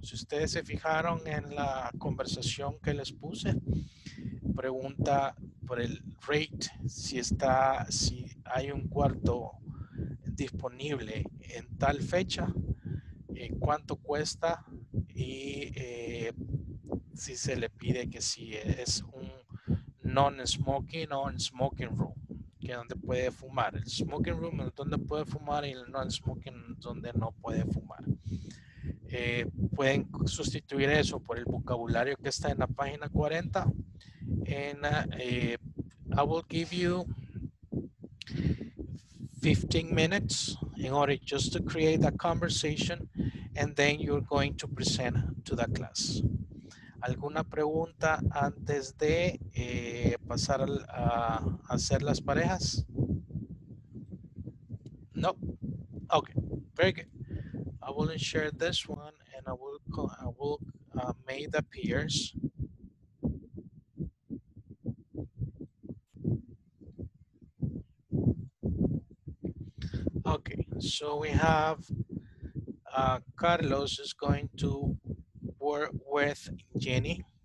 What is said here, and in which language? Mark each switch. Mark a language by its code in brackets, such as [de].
[es] Si ustedes se fijaron en la conversación que les puse, pregunta por el rate, si hay un cuarto disponible en tal fecha, cuánto cuesta y si se le pide que si es un non-smoking o smoking room, que donde puede fumar. El smoking room es donde puede fumar y el non-smoking donde no puede fumar. Pueden sustituir eso por el vocabulario que está en la página 40. [en] And I will give you 15 minutes in order just to create a conversation, and then you're going to present to the class. [es] ¿Alguna pregunta antes de pasar a hacer las parejas? [en] No. Okay. Very good. I will share this one and I will make the peers. Okay. So we have Carlos is going to with Jenny.